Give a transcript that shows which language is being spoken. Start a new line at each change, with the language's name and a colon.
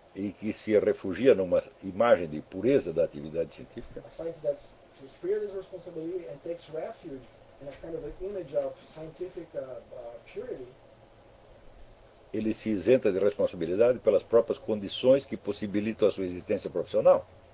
Portuguese: e que se refugia numa imagem de pureza da atividade científica,
English: a scientist that feels free of this responsibility and takes refuge in a kind of an image of scientific purity,
Portuguese: ele se isenta de responsabilidade pelas próprias condições que possibilitam a sua existência profissional.